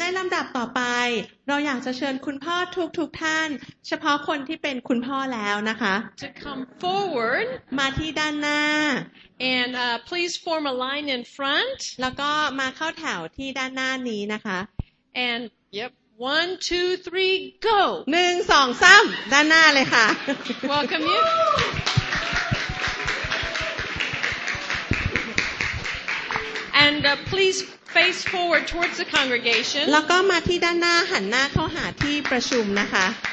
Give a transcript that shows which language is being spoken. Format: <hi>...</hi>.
<th>ในลำดับต่อไปเราอยากจะเชิญคุณพ่อทุกท่านเฉพาะคนที่เป็นคุณพ่อแล้วนะคะ</th> <en>to come forward</en> <th>มาที่ด้านหน้า</th> <en>and please form a line in front</en> <th>แล้วก็มาเข้าแถวที่ด้านหน้านี้นะคะ</th> <en>and yep 1 2 3 go</en> <th>1 2 3ด้านหน้าเลยค่ะ</th> <en>Welcome you And please face forward towards the congregation.</en> <th>แล้วก็มาที่ด้านหน้าหันหน้าเข้าหาที่ประชุมนะคะ</th>